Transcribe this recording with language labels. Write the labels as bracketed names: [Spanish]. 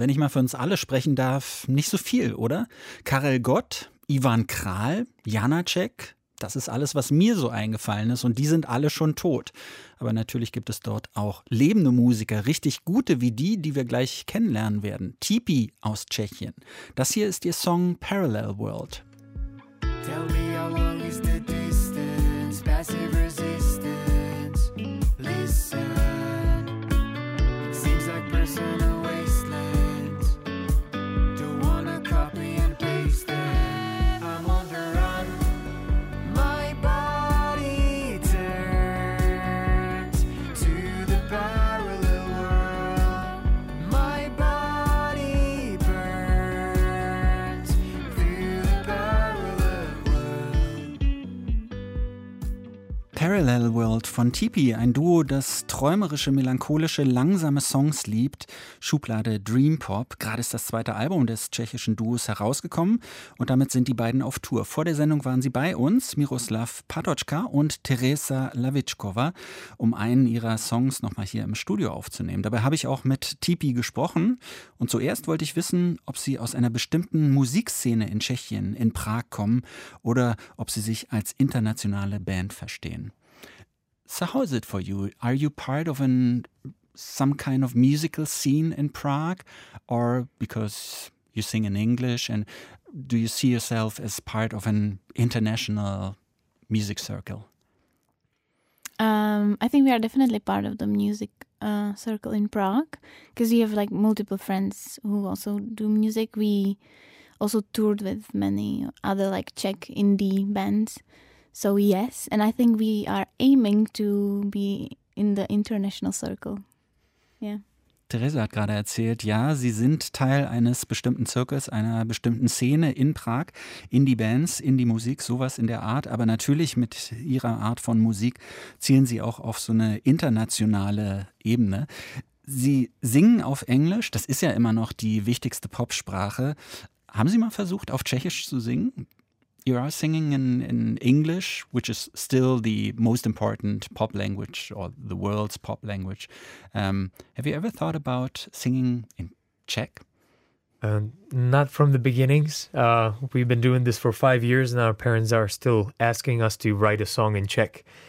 [German] Wenn ich mal für uns alle sprechen darf, nicht so viel, oder? Karel Gott, Ivan Král, Janáček, das ist alles, was mir so eingefallen ist. Und die sind alle schon tot. Aber natürlich gibt es dort auch lebende Musiker, richtig gute wie die, die wir gleich kennenlernen werden. Tipi aus Tschechien. Das hier ist ihr Song Parallel World. [English] Tell me how long is the distance, passive resistance, listen, seems like personal wasteland, don't wanna copy and paste it, I'm on the run, my body turns to the parallel world, my body burns through the parallel world. [German] Parallel World von Tipi, ein Duo, das träumerische, melancholische, langsame Songs liebt. Schublade Dream Pop. Gerade ist das zweite Album des tschechischen Duos herausgekommen und damit sind die beiden auf Tour. Vor der Sendung waren sie bei uns, Miroslav Patočka und Teresa Lavičkova, um einen ihrer Songs nochmal hier im Studio aufzunehmen. Dabei habe ich auch mit Tipi gesprochen und zuerst wollte ich wissen, ob sie aus einer bestimmten Musikszene in Tschechien, in Prag kommen oder ob sie sich als internationale Band verstehen. [English] So how is it for you? Are you part of some kind of musical scene in Prague, or because you sing in English, and do you see yourself as part of an international music circle? I think we are definitely part of the music circle in Prague because we have like multiple friends who also do music. We also toured with many other like Czech indie bands. So yes, and I think we are aiming to be in the international circle. Yeah. [German] Theresa hat gerade erzählt, ja, sie sind Teil eines bestimmten Zirkels, einer bestimmten Szene in Prag, Indie-Bands, Indie-Musik, sowas in der Art. Aber natürlich mit ihrer Art von Musik zielen sie auch auf so eine internationale Ebene. Sie singen auf Englisch, das ist ja immer noch die wichtigste Popsprache. Haben Sie mal versucht, auf Tschechisch zu singen? [English] You are singing in English, which is still the most important pop language or the world's pop language. Have you ever thought about singing in Czech? Not from the beginnings. We've been doing this for 5 years and our parents are still asking us to write a song in Czech.